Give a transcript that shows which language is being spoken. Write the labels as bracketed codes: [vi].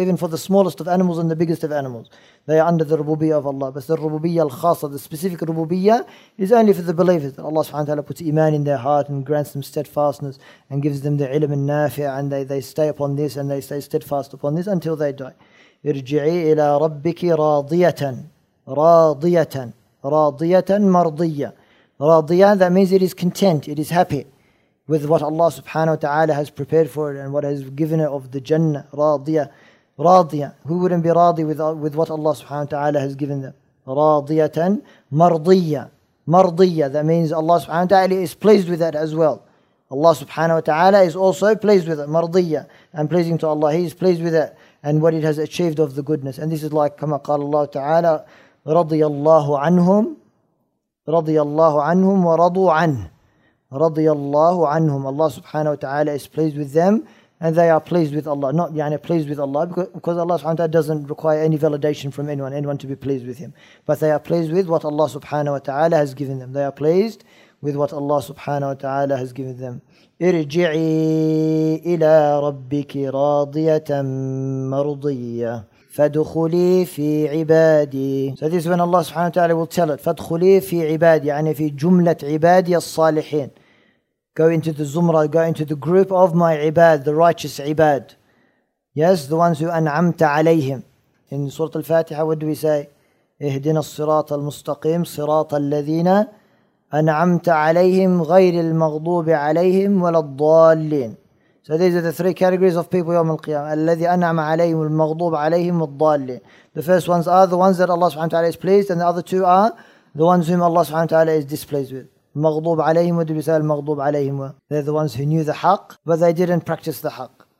[en] Even for the smallest of animals and the biggest of animals, they are under the rububiyya of Allah. But the rububiyya al-khasa, the specific rububiyya, is only for the believers. Allah subhanahu wa ta'ala puts iman in their heart and grants them steadfastness and gives them the ilm and nafi'ah, and they stay upon this and they stay steadfast upon this until they die. [ar] ارجعي إلى ربك راضية راضية راضية مرضية. [en] راضية, that means it is content, it is happy with what Allah subhanahu wa ta'ala has prepared for it and what has given it of the Jannah. [ar] راضية راضية. [en] Who wouldn't be راضي with what Allah subhanahu wa ta'ala has given them? [ar] راضية مرضية. [en] مرضية, that means Allah subhanahu wa ta'ala is pleased with that as well. Allah subhanahu wa ta'ala is also pleased with it. مرضية, and pleasing to Allah, He is pleased with it and what it has achieved of the goodness. And this is like [ar] كما قال الله تعالى رضي الله عنهم ورضوا عنه. رضي الله عنهم. [en] Allah subhanahu wa ta'ala is pleased with them and they are pleased with Allah. Not pleased with Allah, because Allah subhanahu wa ta'ala doesn't require any validation from anyone to be pleased with Him. But they are pleased with what Allah subhanahu wa ta'ala has given them. They are pleased with what Allah subhanahu wa ta'ala has given them. [ar] ارجعي إلى ربك راضية مرضية فادخلي في عبادي. [en] So this is when Allah subhanahu wa ta'ala will tell it. [ar] فادخلي في عبادي, يعني في جملة عبادي الصالحين. [en] Go into the zumra, go into the group of my ibad, the righteous ibad. Yes, the ones who [ar] أنعمت عليهم. [en] In Surah Al-Fatiha, what do we say? [ar] اهدنا الصراط المستقيم صراط الذين أنعمت عليهم غير المغضوب عليهم ولا الضالين. [en] So these are the three categories of people yawm al-qiyamah. [ar] Alladhi an'ama alayhim al-maghdub alayhim al-dallin. [en] The first ones are the ones that Allah subhanahu wa ta'ala is pleased, and the other two are the ones whom Allah subhanahu wa ta'ala is displeased with. [ar] Maghdub alayhim wa dibisal maghdub alayhim. [en] They're the ones who knew the haq, but they didn't practice the haq.